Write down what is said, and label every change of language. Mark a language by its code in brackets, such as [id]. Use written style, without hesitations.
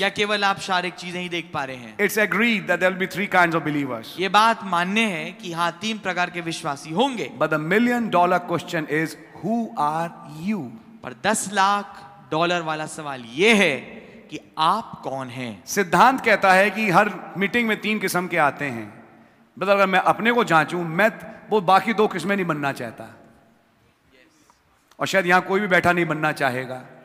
[hi] या केवल आप शारीरिक चीजें ही देख पा रहे हैं? [en] It's agreed that there will be three kinds of believers. [hi] ये बात मान्य है कि हाँ, तीन प्रकार के विश्वासी होंगे। [en] But the million dollar question is, who are you? [hi] पर $10,00,000 वाला सवाल ये है कि आप कौन हैं? सिद्धांत कहता है कि हर मीटिंग में तीन किस्म के आते हैं, मतलब अगर मैं अपने को जांचूं, मैं वो बाकी दो किस्में नहीं बनना चाहता, और शायद यहां कोई भी बैठा नहीं बनना चाहेगा।